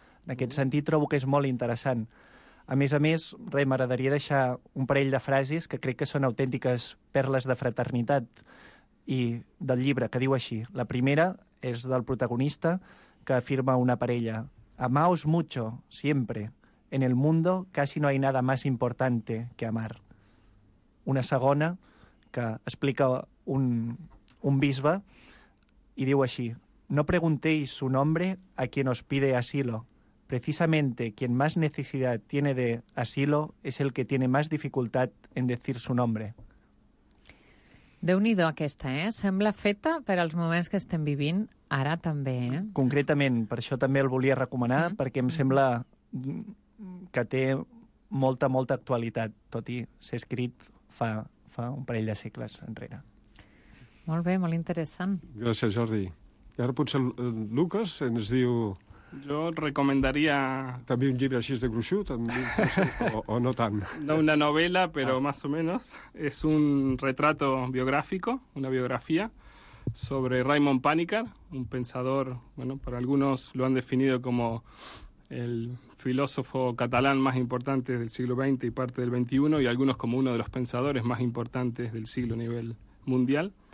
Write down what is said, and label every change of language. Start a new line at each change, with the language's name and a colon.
Catalan: En aquest sentit, trobo que és molt interessant. A més, res, m'agradaria deixar un parell de frases que crec que són autèntiques perles de fraternitat i del llibre, que diu així. La primera és del protagonista, que afirma una parella.
Spanish: Amaos mucho, siempre. En el mundo casi no hay nada más importante que amar.
Catalan: Una segona, que explica un bisbe, i diu així.
Spanish: No preguntéis su nombre a quien os pide asilo. Precisamente quien más necesidad tiene de asilo es el que tiene más dificultad en decir su nombre.
Catalan: Déu-n'hi-do aquesta, eh? Sembla feta per als moments que estem vivint ara també, eh? Concretament, per això també el volia recomanar, sí. Perquè em sembla que té molta, molta actualitat, tot i ser escrit fa un parell de segles enrere. Molt bé, molt interessant. Gràcies, Jordi. I ara potser Lucas ens diu...
Spanish: Jo recomendaria...
Catalan: També un llibre així de gruixut, o no tant? No, una novel·la, però
Spanish: más o menos. És un retrato biográfico, una biografia, sobre Raymond Panikkar, un pensador, bueno, para algunos lo han definido como el filósofo catalán más importante del siglo XX y parte del XXI, y algunos como uno de los pensadores más importantes del siglo a nivel mundial.